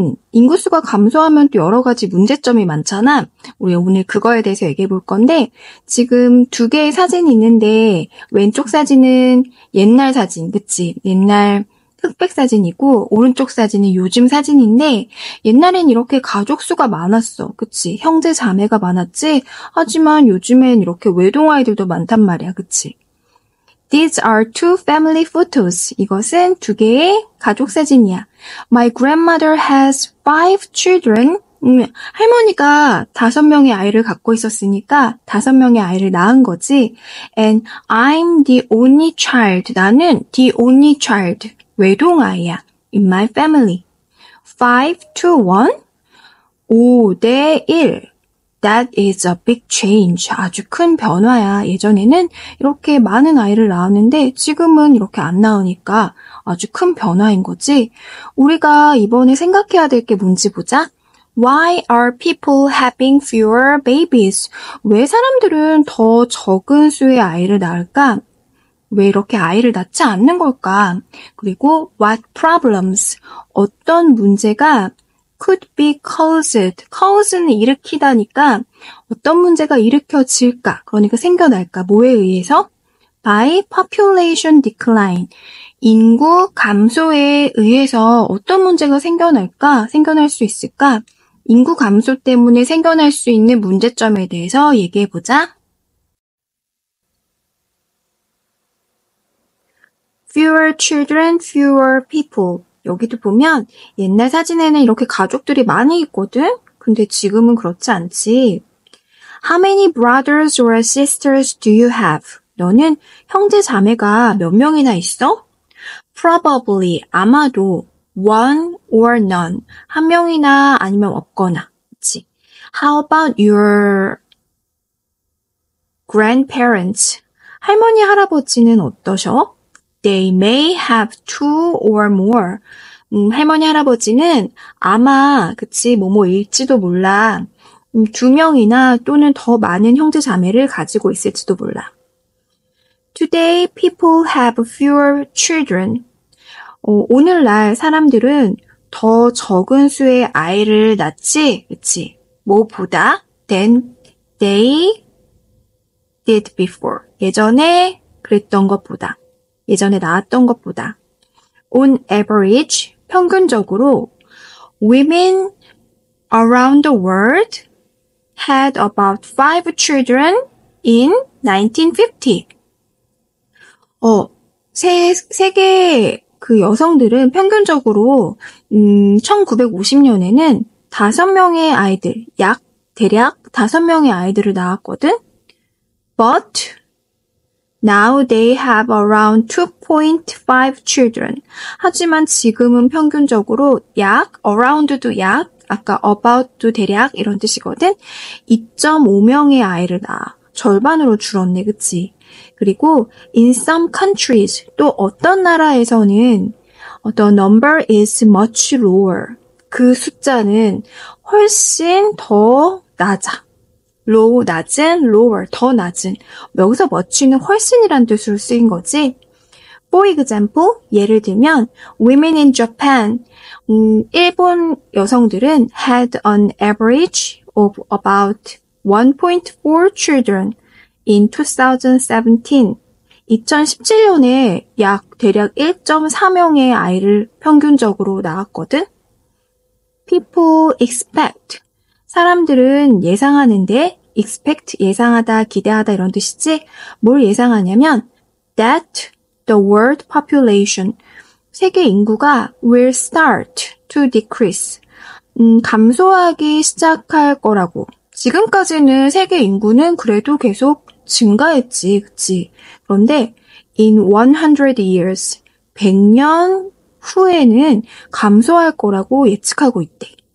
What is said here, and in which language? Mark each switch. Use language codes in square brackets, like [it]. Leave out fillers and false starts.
[ko] 인구수가 감소하면 또 여러 가지 문제점이 많잖아. 우리 오늘 그거에 대해서 얘기해 볼 건데 지금 두 개의 사진이 있는데 왼쪽 사진은 옛날 사진, 그치? 옛날 흑백 사진이고 오른쪽 사진은 요즘 사진인데 옛날엔 이렇게 가족 수가 많았어. 그치? 형제 자매가 많았지? 하지만 요즘엔 이렇게 외동아이들도 많단 말이야. 그치? [en] These are two family photos. [ko] 이것은 두 개의 가족 사진이야. [en] My grandmother has five children. [ko] 할머니가 다섯 명의 아이를 갖고 있었으니까 다섯 명의 아이를 낳은 거지. [en] And I'm the only child. [ko] 나는 [en] the only child. [ko] 외동아이야. [en] In my family. 5-1. 5-1. That is a big change. [ko] 아주 큰 변화야. 예전에는 이렇게 많은 아이를 낳았는데 지금은 이렇게 안 낳으니까 아주 큰 변화인 거지. 우리가 이번에 생각해야 될 게 뭔지 보자. [en] Why are people having fewer babies? [ko] 왜 사람들은 더 적은 수의 아이를 낳을까? 왜 이렇게 아이를 낳지 않는 걸까? 그리고 [en] what problems? [ko] 어떤 문제가 [en] could be caused. [ko] cause는 일으키다니까 어떤 문제가 일으켜질까? 그러니까 생겨날까? 뭐에 의해서? [en] by population decline. [ko] 인구 감소에 의해서 어떤 문제가 생겨날까? 생겨날 수 있을까? 인구 감소 때문에 생겨날 수 있는 문제점에 대해서 얘기해 보자. [en] Fewer children, fewer people. [ko] 여기도 보면 옛날 사진에는 이렇게 가족들이 많이 있거든? 근데 지금은 그렇지 않지. [en] How many brothers or sisters do you have? [ko] 너는 형제 자매가 몇 명이나 있어? [en] Probably, [ko] 아마도 [en] one or none. [ko] 한 명이나 아니면 없거나. 그치? [en] How about your grandparents? [ko] 할머니, 할아버지는 어떠셔? [en] They may have two or more. [ko] 할머니, 할아버지는 아마, 그치, 뭐뭐일지도 몰라. 두 명이나 또는 더 많은 형제 자매를 가지고 있을지도 몰라. [en] Today, people have fewer children. [ko] 오늘날 사람들은 더 적은 수의 아이를 낳지, 그치. 뭐보다 [en] than they did before. [ko] 예전에 그랬던 것보다. 예전에 나왔던 것보다 [en] on average [ko] 평균적으로 [en] women around the world had about 5 children in 1950. [ko] 세계 그 여성들은 평균적으로 1950년에는 5명의 아이들 약 대략 5명의 아이들을 낳았거든. [en] But now they have around 2.5 children. [ko] 하지만 지금은 평균적으로 약, around도 약, 아까 about도 대략 이런 뜻이거든. 2.5명의 아이를 낳아. 절반으로 줄었네, 그치? 그리고 [en] in some countries, [ko] 또 어떤 나라에서는 [en] the number is much lower. [ko] 그 숫자는 훨씬 더 낮아. low, 낮은, lower, 더 낮은. 여기서 much는 훨씬이란 뜻으로 쓰인 거지. [en] For example, [ko] 예를 들면 [en] women in Japan, [ko] 일본 여성들은 [en] had an average of about 1.4 children in 2017. [ko] 2017년에 약 대략 1.4명의 아이를 평균적으로 낳았거든. [en] People expect. [ko] 사람들은 예상하는데 expect, 예상하다, 기대하다 이런 뜻이지. 뭘 예상하냐면 [en] that the world population, [ko] 세계 인구가 [en] will start to decrease. [ko] 감소하기 시작할 거라고. 지금까지는 세계 인구는 그래도 계속 증가했지, 그치? 그런데 [en] in 100 years, [ko] 100년 후에는 감소할 거라고 예측하고 있대.